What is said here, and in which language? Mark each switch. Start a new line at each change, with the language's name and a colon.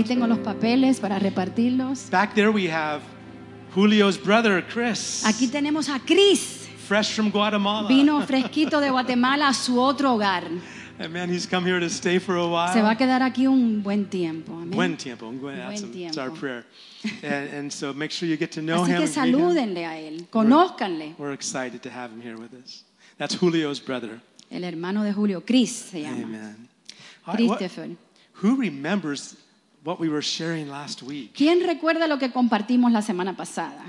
Spanish: Ahí tengo los papeles para repartirlos.
English: Back there we have Julio's brother Chris.
Spanish: Aquí tenemos a Chris.
English: Fresh from Guatemala.
Spanish: Vino fresquito de Guatemala a su otro hogar.
English: Amen. He's come here to stay for a while.
Spanish: Se va a quedar aquí un buen tiempo.
English: Amen.
Spanish: Buen tiempo.
English: That's our prayer. And so make sure you get to know
Spanish: así
English: him.
Spanish: Así que salúdenle a él. Conózcanle.
English: We're excited to have him here with us. That's Julio's brother.
Spanish: El hermano de Julio. Chris se llama.
English: Amen. Christopher. Who remembers what we were sharing last week?
Spanish: ¿Quién recuerda lo que compartimos la semana pasada?